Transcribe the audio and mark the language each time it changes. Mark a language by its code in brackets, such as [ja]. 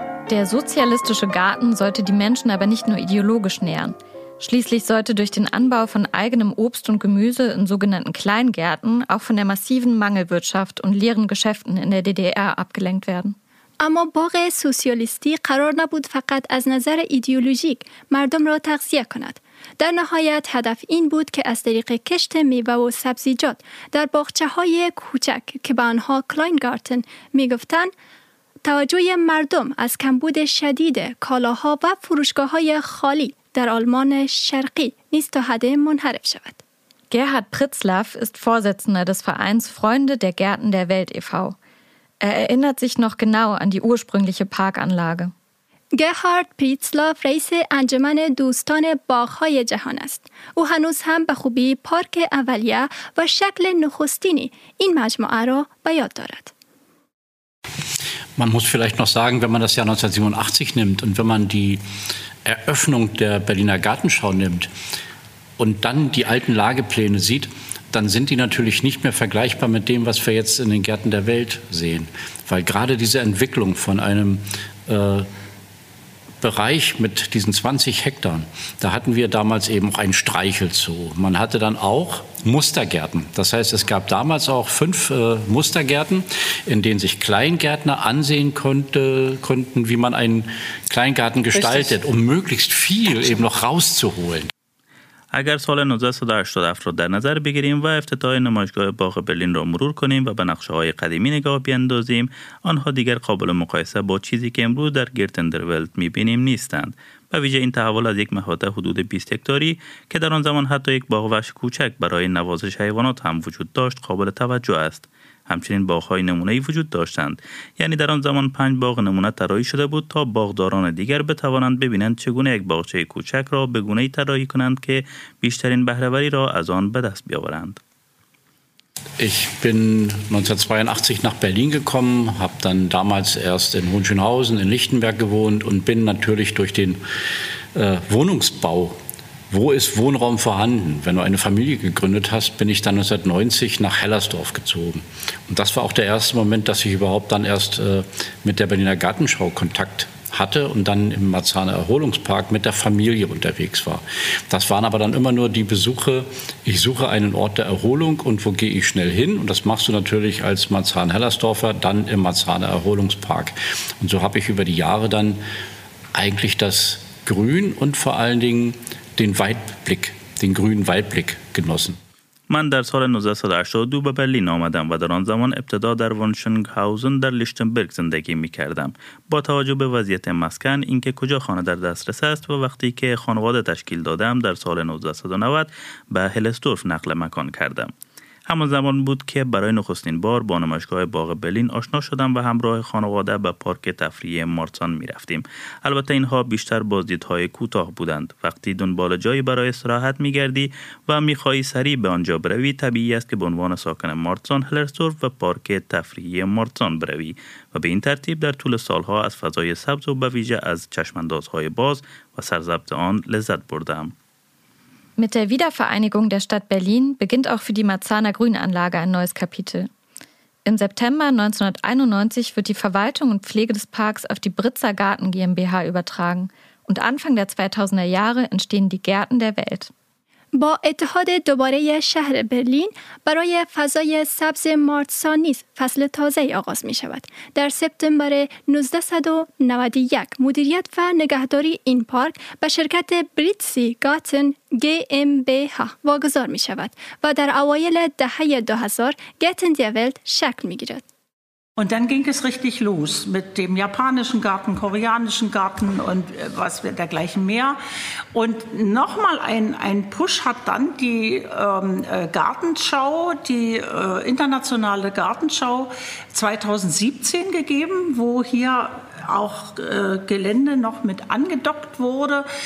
[de] Der sozialistische Garten sollte die Menschen aber nicht nur ideologisch nähren. Schließlich sollte durch den Anbau von eigenem Obst und Gemüse in sogenannten Kleingärten auch von der massiven Mangelwirtschaft und leeren Geschäften in der DDR abgelenkt werden. [fa] اما باغ سوسیالیستی قرار نبود فقط از نظر ایدئولوژیک مردم را تغذیه کند. در نهایت هدف این بود که از طریق کشت میوه و سبزیجات در باغچه های کوچک که به آنها کلاینگارتن می گفتند، توجه مردم از کمبود شدید کالاها و فروشگاه های خالی در آلمان شرقی نیز تا حد منحرف شود. [de] Gerhard Pritzlaff ist Vorsitzender des Vereins Freunde der Gärten der Welt e.V. Er erinnert sich noch genau an die ursprüngliche Parkanlage. [fa] Gerhard Pritzlaff, رئیس انجمن دوستان باغ‌های جهان است. او هنوز هم به خوبی پارک اولیه و شکل نخستینی این مجموعه را به یاد دارد. [de] Man muss vielleicht noch sagen, wenn man das Jahr 1987 nimmt und wenn man die Eröffnung der Berliner Gartenschau nimmt und dann die alten Lagepläne sieht, dann sind die natürlich nicht mehr vergleichbar mit dem, was wir jetzt in den Gärten der Welt sehen. Weil gerade diese Entwicklung von einem Bereich mit diesen 20 Hektar, da hatten wir damals eben auch einen Streichelzoo. Man hatte dann auch Mustergärten. Das heißt, es gab damals auch fünf Mustergärten, in denen sich Kleingärtner ansehen konnten, wie man einen Kleingarten gestaltet, richtig, um möglichst viel eben noch rauszuholen. [fa] اگر سال 1987 رو در نظر بگیریم و افتتاح نمایشگاه باغ برلین را مرور کنیم و به نقشه‌های قدیمی نگاه بیندازیم، آنها دیگر قابل مقایسه با چیزی که امروز در گرتندرولت می‌بینیم نیستند. به ویژه این تحول از یک محوطه حدود 20 هکتاری که در آن زمان حتی یک باغ وحش کوچک برای نوازش حیوانات هم وجود داشت قابل توجه است. همچنین باغ‌های نمونه‌ای وجود داشتند، یعنی در آن زمان 5 باغ نمونه طراحی شده بود تا باغداران دیگر بتوانند ببینند چگونه یک باغچه کوچک را به گونه‌ای طراحی کنند که بیشترین بهره‌وری را از آن به دست بیاورند. [de] Ich bin 1982 nach Berlin gekommen, habe dann damals erst in Hohenschönhausen in Lichtenberg gewohnt und bin natürlich durch den Wohnungsbau. Wo ist Wohnraum vorhanden? Wenn du eine Familie gegründet hast, bin ich dann 1990 nach Hellersdorf gezogen. Und das war auch der erste Moment, dass ich überhaupt dann erst mit der Berliner Gartenschau Kontakt hatte und dann im Marzahner Erholungspark mit der Familie unterwegs war. Das waren aber dann immer nur die Besuche, ich suche einen Ort der Erholung und wo gehe ich schnell hin? Und das machst du natürlich als Marzahn-Hellersdorfer dann im Marzahner Erholungspark. Und so habe ich über die Jahre dann eigentlich das Grün und vor allen Dingen den Weitblick, den grünen Weitblick genossen. [fa] من در سال 1982 به برلین آمدم و در آن زمان ابتدا در وانشنگهاوزن در لیشتنبرگ زندگی می کردم. با توجه به وضعیت مسکن، اینکه کجا خانه در دسترس است و وقتی که خانواده تشکیل دادم در سال 1990 به هلستورف نقل مکان کردم. همان زمان بود که برای نخستین بار با نمایشگاه باغ برلین آشنا شدم و همراه خانواده به پارک تفریحی مارتسان می رفتیم. البته اینها بیشتر بازدیدهای کوتاه بودند. وقتی دنبال جایی برای استراحت می گردی و می خواهی سریع به آنجا بروی، طبیعی است که به عنوان ساکن مارتسان، هلرسورف و پارک تفریحی مارتسان بروی. و به این ترتیب در طول سالها از فضای سبز و به ویژه از چشم‌اندازهای باز و سرسبز آن لذت بردم. [de] Mit der Wiedervereinigung der Stadt Berlin beginnt auch für die Marzahner Grünanlage ein neues Kapitel. Im September 1991 wird die Verwaltung und Pflege des Parks auf die Britzer Garten GmbH übertragen und Anfang der 2000er Jahre entstehen die Gärten der Welt. [fa] با اتحاد دوباره شهر برلین برای فضای سبز مارتسان نیز فصل تازه آغاز می شود. در سپتامبر 1991 مدیریت و نگهداری این پارک به شرکت بریتسی گاتن GmbH واگذار می شود و در اوایل دهه 2000 گاتن دی ولت شکل می گیرد. [de] Und dann ging es richtig los mit dem japanischen Garten, koreanischen Garten und was dergleichen mehr. Und nochmal ein Push hat dann die Gartenschau, die internationale Gartenschau 2017 gegeben, wo hier auch Gelände noch mit angedockt wurde.